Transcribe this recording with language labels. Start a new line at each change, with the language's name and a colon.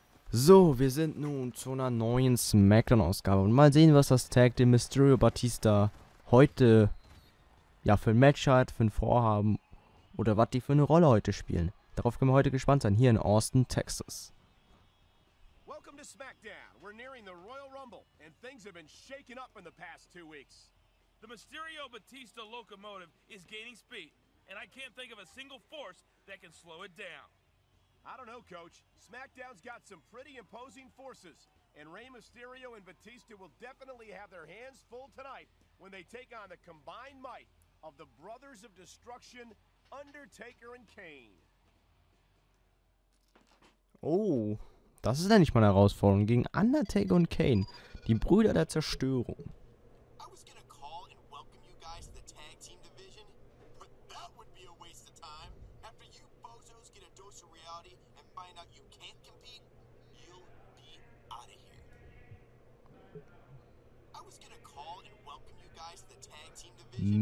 German: So, wir sind nun zu einer neuen SmackDown-Ausgabe. Und mal sehen, was das Tag Team Mysterio Batista heute, ja, für ein Match hat, für ein Vorhaben. Oder was die für eine Rolle heute spielen. Darauf können wir heute gespannt sein, hier in Austin, Texas.
English: Welcome to SmackDown. We're nearing the Royal Rumble. And things have been shaken up in the past two weeks. The Mysterio Batista locomotive is gaining speed. And I can't think of a single force that can slow it down. I don't know, Coach. SmackDown's got some pretty imposing forces. And Rey Mysterio and Batista will definitely have their hands full tonight when they take on the combined might of the Brothers of Destruction, Undertaker and Kane.
German: Oh, das ist ja nicht mal eine Herausforderung gegen Undertaker und Kane, die Brüder der Zerstörung.
English: I was gonna call and welcome you guys to the tag team division, but that would be a waste of time. After you bozos get a dose of reality and find out you can't compete, you'll be out of here. I was gonna call and welcome you guys to the tag team division.